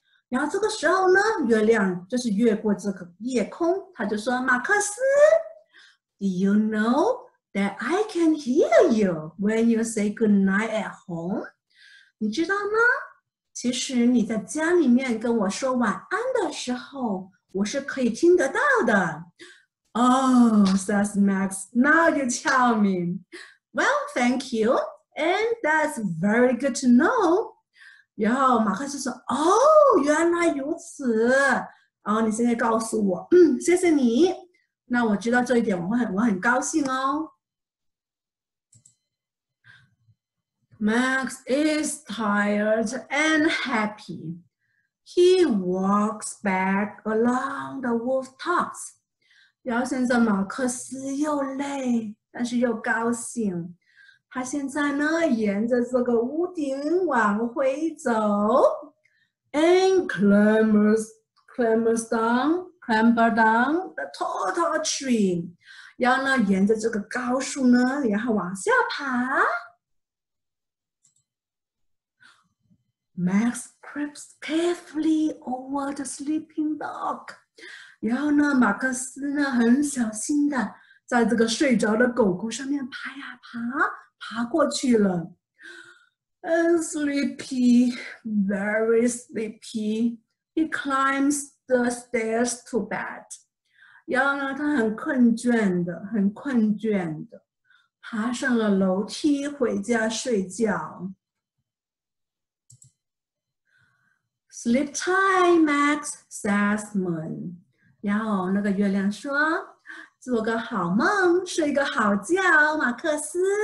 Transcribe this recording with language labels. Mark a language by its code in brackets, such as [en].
[zh] 然后这个时候呢，月亮就是越过这个夜空，他就说：“马克思 ， [en] Do you know that I can hear you when you say good night at home？ [zh] 你知道吗？其实你在家里面跟我说晚安的时候，我是可以听得到的。” [en] Oh, says Max, now you tell me. Well, thank you, and that's very good to know. [zh] 然后马克思说，哦，原来如此。然后你现在告诉我，谢谢你。那我知道这一点，我很高兴哦。 [en] Max is tired and happy. He walks back along the wolf tops. [zh] 然后现在马克思又累，但是又高兴。他现在呢，沿着这个屋顶往回走 ， [en] and clambers down the tall tree。 [zh] 然后呢，沿着这个高树呢，然后往下爬。 [en] Max creeps carefully over the sleeping dog。 [zh] 然后呢，马克思呢很小心的在这个睡着的狗狗上面爬呀爬，爬过去了。 [en] And sleepy, very sleepy, he climbs the stairs to bed. [zh] 然后呢，他很困倦的，爬上了楼梯回家睡觉。 [en] Sleep time, Max says, Moon. [zh] 然后那个月亮说，做个好梦，睡个好觉，马克思。